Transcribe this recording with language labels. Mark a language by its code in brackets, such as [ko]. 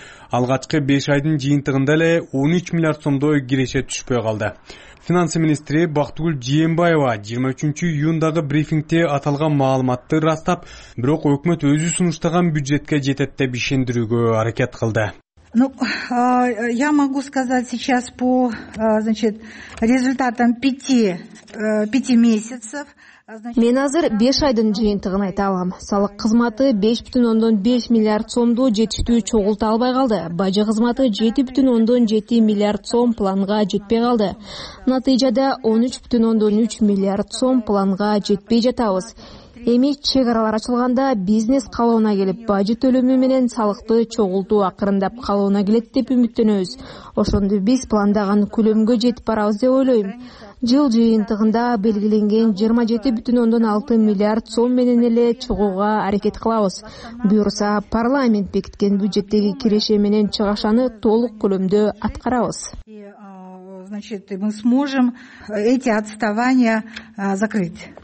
[ky] Алгачкы 5 айдын жыйынтыгында эле 13 миллиард сомдой киреше түшпөй калды. Финансы министри Бактыгүл Жээнбаева 23 июндагы брифингде аталган маалыматты ырастап, бирок өкмөт өзү сунуштаган бюджетке жетет деп ишендирүүгө аракет кылды. [ru] Ну, я могу сказать сейчас по, значит, результатам пяти месяцев. [ky] Мен азыр 5 айдын жыйынтыгын айта алам. Салык кызматы 5,5 миллиард сомду жетиштүү чогултуп албай калды. Бажы кызматы 7,7 миллиард сом планга жетпей калды. Натыйжада 13,3 миллиард сом планга жетпей жатабыз. Эми чек аралар ачылганда бизнес калыбына келип, бажы төлөмү менен салыкты чогултуу акырындап калыбына келет деп үмүттөнөбүз. Ошондо биз пландаган көлөмгө жетип барабыз деп ойлойм. Жыл жыйынтыгында белгиленген 27,6 миллиард сом менен эле чыгууга аракет кылабыз. Буюрса, парламент бекиткен бюджеттеги киреше менен чыгашаны толук көлөмдө аткарабыз. [ru] значит, мы сможем эти отставания закрыть.